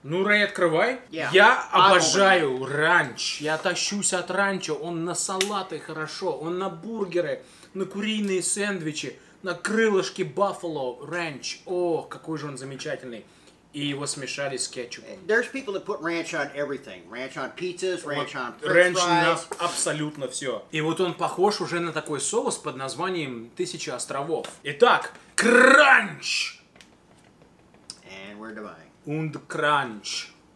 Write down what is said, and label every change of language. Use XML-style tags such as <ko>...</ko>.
<ru>Ну, Рэй, открывай.</ru> <en>Yeah.</en> <ru>Я обожаю ранч. Я тащусь от ранчо. Он на салаты хорошо. Он на бургеры, на куриные сэндвичи, на крылышки баффало. Ранч. Ох, какой же он замечательный. И его смешали с кетчупом.</ru> <en>There's people that put ranch on everything. Ranch on pizzas, ranch on french fries.</en> <ru>Ранч на абсолютно все. И вот он похож уже на такой соус под названием «Тысяча островов». Итак, кранч!</ru> <en>And we're dying. Und crunch.</en>